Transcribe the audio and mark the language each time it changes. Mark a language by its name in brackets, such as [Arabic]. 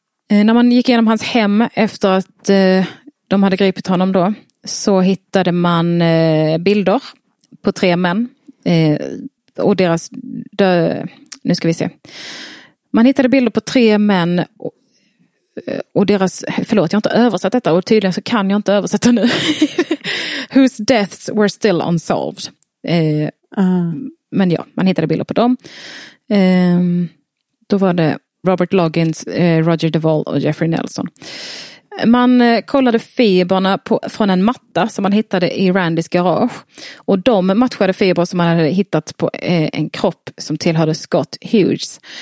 [Swedish] När man gick igenom hans hem efter att de hade gripit honom då, så hittade man bilder på 3 män och deras nu ska vi se. Man hittade bilder på 3 män och deras, förlåt, jag har inte översatt detta och tydligen så kan jag inte översätta nu. [English] Whose deaths were still unsolved. [Swedish] Men ja, man hittade bilder på dem. Då var det Robert Loggins, Roger Duvall och Geoffrey Nelson. Man kollade fibrerna från en matta som man hittade i Randys garage. Och de matchade fibrer som man hade hittat på en kropp som tillhörde Scott Hughes.